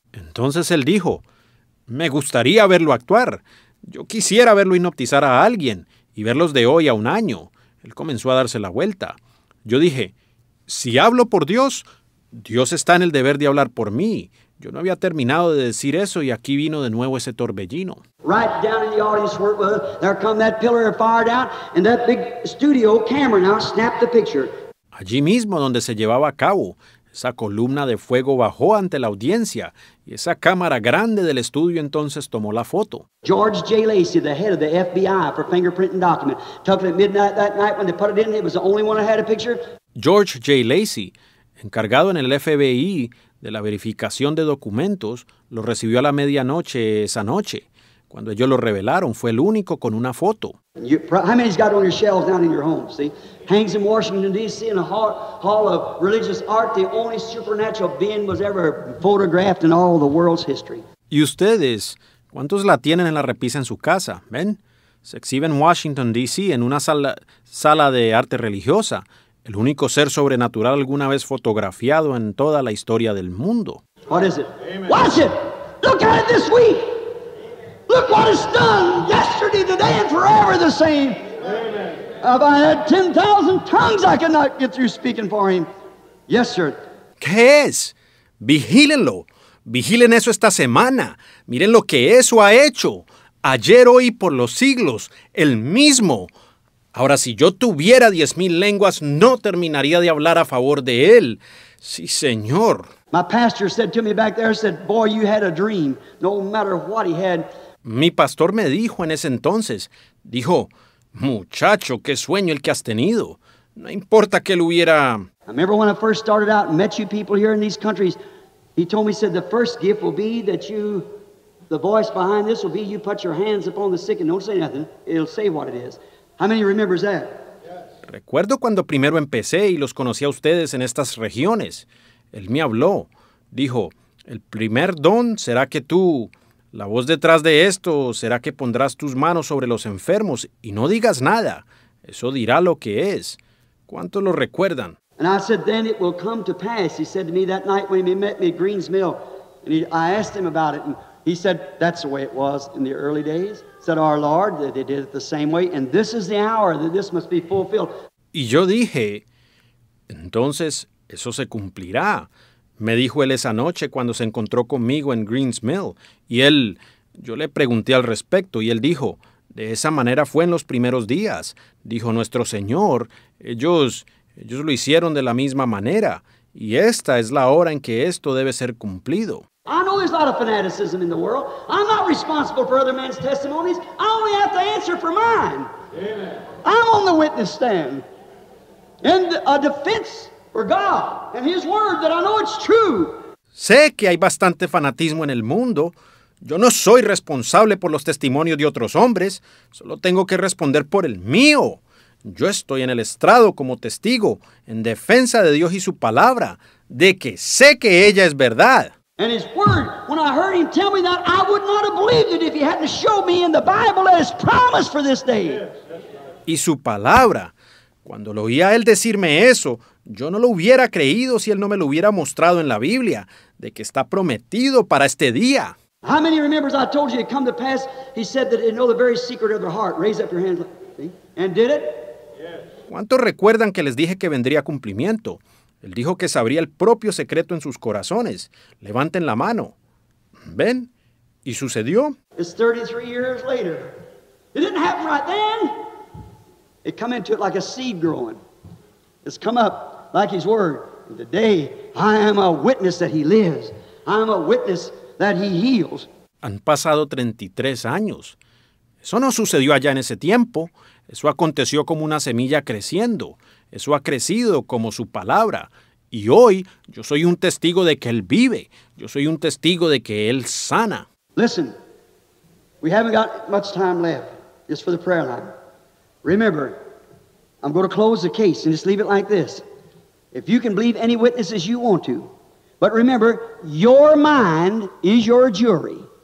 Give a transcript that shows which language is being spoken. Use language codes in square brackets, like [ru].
[es] Entonces él dijo, Me gustaría verlo actuar. Yo quisiera verlo hipnotizar a alguien y verlos de hoy a un año. Él comenzó a darse la vuelta. Yo dije, si hablo por Dios, Dios está en el deber de hablar por mí. Yo no había terminado de decir eso y aquí vino de nuevo ese torbellino. [en] Right down in the audience where there come that pillar fired out and that big studio camera now snapped the picture. [es] Allí mismo donde se llevaba a cabo, esa columna de fuego bajó ante la audiencia y esa cámara grande del estudio entonces tomó la foto. [en] George J. Lacey, the head of the FBI for fingerprint and document, took it at midnight that night when they put it in. It was the only one that had a picture. [es] George J. Lacey, encargado en el FBI de la verificación de documentos, lo recibió a la medianoche esa noche. Cuando ellos lo revelaron, fue el único con una foto. [en] How many's got on your shelves down in your home, see? Hangs in Washington, D.C. in the Hall of Religious Art, the only supernatural being was ever photographed in all the world's history. [es] ¿Y ustedes? ¿Cuántos la tienen en la repisa en su casa? ¿Ven? Se exhibe en Washington, D.C. en una sala de arte religiosa. El único ser sobrenatural alguna vez fotografiado en toda la historia del mundo. [en] What is it? Amen. Watch it! Look at it this week! Look what it's done yesterday, today, and forever the same. Amen. If I had 10,000 tongues, I could not get through speaking for him. Yes, sir. [es] ¿Qué es? Vigílenlo. Vigilen eso esta semana. Miren lo que eso ha hecho. Ayer, hoy, por los siglos. El mismo. Ahora, si yo tuviera 10,000 lenguas, no terminaría de hablar a favor de él. Sí, señor. [en] My pastor said to me back there, said, boy, you had a dream, no matter what he had. [es] Mi pastor me dijo en ese entonces, dijo, muchacho, qué sueño el que has tenido. No importa que él hubiera... [en] I remember when I first started out and met you people here in these countries, he told me, said, the first gift will be that you, the voice behind this will be you put your hands upon the sick and don't say nothing, it'll say what it is. How many remembers that? [es] Recuerdo cuando primero empecé y los conocí a ustedes en estas regiones. Él me habló. Dijo, el primer don será que tú, la voz detrás de esto, será que pondrás tus manos sobre los enfermos y no digas nada. Eso dirá lo que es. ¿Cuántos lo recuerdan? [en] And I said, then it will come to pass. He said to me that night when he met me at Green's Mill. And I asked him about it. And he said, that's the way it was in the early days. Said our Lord, that they did it the same way, and this is the hour that this must be fulfilled. [es] Y yo dije, entonces eso se cumplirá. Me dijo él esa noche cuando se encontró conmigo en Green's Mill. Y él, yo le pregunté al respecto, y él dijo, de esa manera fue en los primeros días. Dijo nuestro Señor, ellos lo hicieron de la misma manera, y esta es la hora en que esto debe ser cumplido. [en] I know there's a lot of fanaticism in the world. I'm not responsible for other men's testimonies. I only have to answer for mine. Amen. I'm on the witness stand in a defense for God and His word that I know it's true. [es] Sé que hay bastante fanatismo en el mundo. Yo no soy responsable por los testimonios de otros hombres. Solo tengo que responder por el mío. Yo estoy en el estrado como testigo en defensa de Dios y su palabra, de que sé que ella es verdad. [en] And his word, when I heard him tell me that, I would not have believed it if he hadn't showed me in the Bible that it's promised for this day. [es] Y su palabra, cuando lo oí a él decirme eso, yo no lo hubiera creído si él no me lo hubiera mostrado en la Biblia, de que está prometido para este día. [en] How many remembers I told you it come to pass, he said that they know the very secret of their heart. Raise up your hand, see? And did it? [es] ¿Cuántos recuerdan que les dije que vendría cumplimiento? Él dijo que sabría el propio secreto en sus corazones. Levanten la mano. ¿Ven? ¿Y sucedió? [en] It's 33 years later. It didn't happen right then. It come into it like a seed growing. It's come up like his word. And today, I am a witness that he lives. I am a witness that he heals. [es] Han pasado 33 años. Eso no sucedió allá en ese tiempo. Eso aconteció como una semilla creciendo. Eso ha crecido como su palabra. Y hoy, yo soy un testigo de que él vive. Yo soy un testigo de que él sana. [en] Listen, we haven't got much time left. Just for the prayer line. Remember, I'm going to close the case and just leave it like this. If you can believe any witnesses you want to, but remember, your mind is your jury.